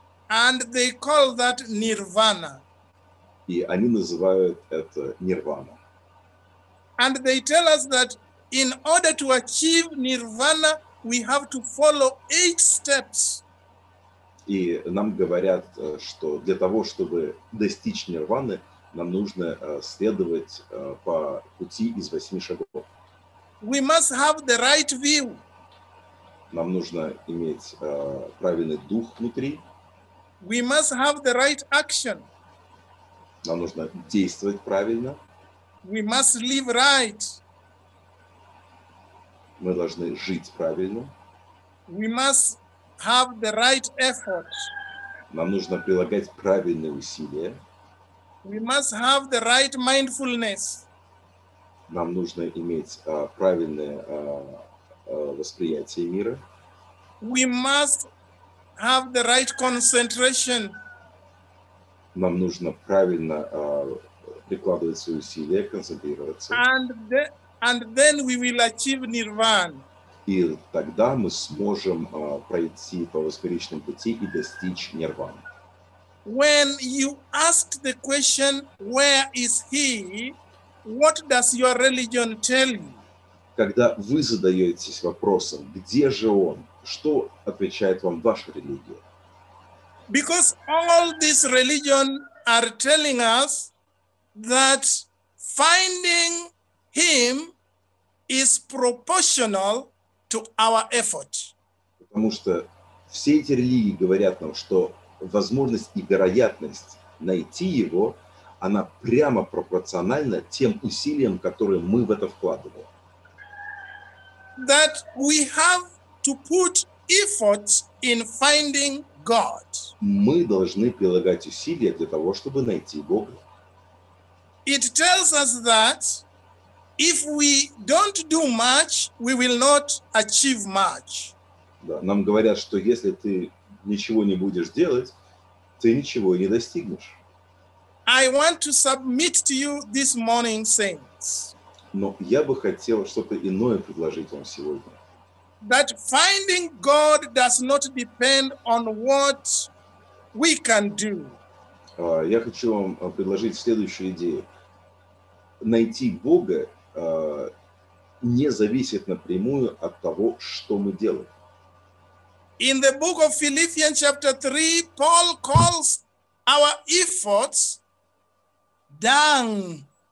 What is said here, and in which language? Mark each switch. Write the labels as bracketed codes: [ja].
[en] And they call that nirvana. [ru] И они называют это нирвана. [en] And they tell us that in order to achieve nirvana, we have to follow 8 steps. [ru] И нам говорят, что для того, чтобы достичь нирваны, нам нужно следовать по пути из 8 шагов. [en] We must have the right view. [ru] Нам нужно иметь правильный дух внутри. [en] We must have the right action. [ru] Нам нужно действовать правильно. [en] We must live right. [ru] Мы должны жить правильно. [en] We must have the right effort. [ru] Нам нужно прилагать правильные усилия. [en] We must have the right mindfulness. [ru] Нам нужно иметь правильное восприятие мира. [en] We must have the right concentration. [ru] Нам нужно правильно прикладывать свои усилия, концентрироваться. [en] And then we will achieve nirvana. [ru] И тогда мы сможем пройти по восьмеричному пути и достичь нирваны. [en] When you ask the question, where is he? What does your religion tell you? [ru] Когда вы задаетесь вопросом, где же он? Что отвечает вам ваша религия? [en] Because all these religions are telling us that finding him is proportional to our effort. [ru] Потому что все эти религии говорят нам, что возможность и вероятность найти его, она прямо пропорциональна тем усилиям, которые мы в это вкладываем. [en] That we have to put effort in finding God. [ru] Мы должны прилагать усилия для того, чтобы найти Бога. [en] It tells us that if we don't do much, we will not achieve much. [ru] Да, нам говорят, что если ты ничего не будешь делать, ты ничего не достигнешь. [en] I want to submit to you this morning, saints. [ru] Но я бы хотел что-то иное предложить вам сегодня. [en] That finding God does not depend on what we can do. [ru] Я хочу вам предложить следующую идею. Найти Бога не зависит напрямую от того, что мы делаем. [en] In the book of Philippians chapter 3, Paul calls our efforts dung.